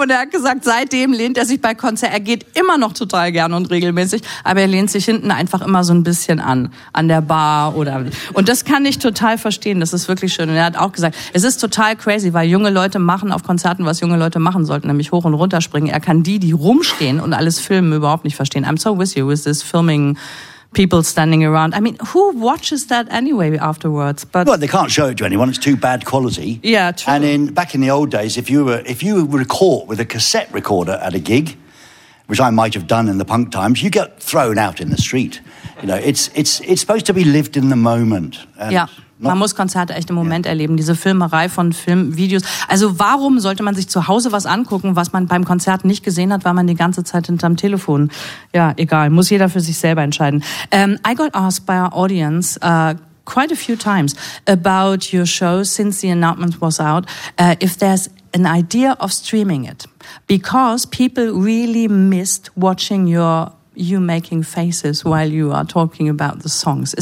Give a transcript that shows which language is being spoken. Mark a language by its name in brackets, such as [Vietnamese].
[German] Und er hat gesagt, seitdem lehnt er sich bei Konzert, er geht immer noch total gern und regelmäßig, aber er lehnt sich hinten einfach immer so ein bisschen an der Bar. Und das kann ich total verstehen, das ist wirklich schön. Und er hat auch gesagt, es ist total crazy, weil junge Leute machen auf Konzerten, was junge Leute machen sollten, nämlich hoch und runter springen. Er kann die rumstehen und alles filmen, überhaupt nicht verstehen. [English] I'm so with you with this filming people standing around. I mean, who watches that anyway afterwards? But well, they can't show it to anyone. It's too bad quality. Yeah, true. And back in the old days, if you were caught with a cassette recorder at a gig, which I might have done in the punk times, you get thrown out in the street. You know, it's supposed to be lived in the moment. Yeah. [German] Man muss Konzerte echt im Moment erleben, diese Filmerei von Filmvideos. Also warum sollte man sich zu Hause was angucken, was man beim Konzert nicht gesehen hat, weil man die ganze Zeit hinterm Telefon, ja, egal, muss jeder für sich selber entscheiden. [English] I got asked by our audience quite a few times about your show since the announcement was out, if there's an idea of streaming it, because people really missed watching you making faces while you are talking about the songs.